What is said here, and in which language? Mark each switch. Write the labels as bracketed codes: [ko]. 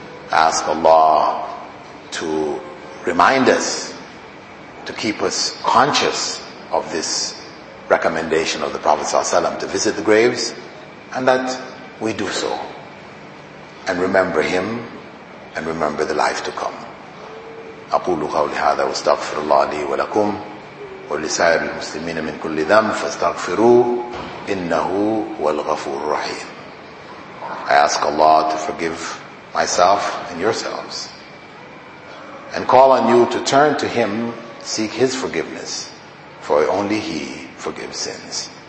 [en] I ask Allah to remind us, to keep us conscious of this recommendation of the Prophet Sallallahu Alaihi Wasallam to visit the graves, and that we do so and remember him and remember the life to come. [ar] أقول قولي هذا واستغفر الله لي ولكم ولسائر المسلمين من كل ذنب فاستغفروه إنه هو الغفور الرحيم. [en] I ask Allah to forgive myself and yourselves and call on you to turn to him, seek his forgiveness, for only he forgives sins.